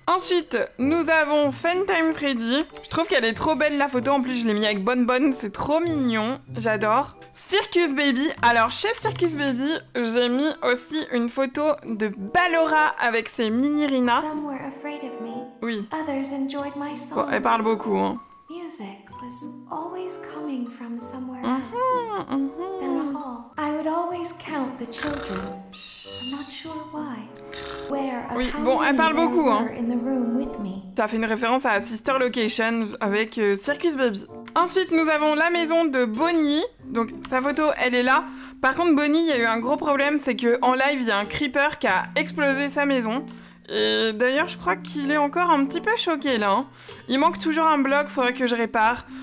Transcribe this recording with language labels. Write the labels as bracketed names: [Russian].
[French] Ensuite, nous avons Funtime Freddy. Je trouve qu'elle est trop belle la photo, en plus je l'ai mis avec Bonbonne, c'est trop mignon, j'adore. Circus Baby, alors chez Circus Baby, j'ai mis aussi une photo de Ballora avec ses mini Rina. Oui. Bon, elle parle beaucoup, hein. [English] Music was always coming from somewhere else. Down a hall. I would always count the children. I'm not sure why. Where a in the room with me. [French] Ça fait une référence à Sister Location avec Circus Baby. Ensuite, nous avons la maison de Bonnie. Donc, sa photo, elle est là. Par contre, Bonnie, il y a eu un gros problème, c'est que en live, il y a un creeper qui a explosé sa maison. Et d'ailleurs, je crois qu'il est encore un petit peu choqué, là. Hein. Il manque toujours un bloc, faudrait que je répare.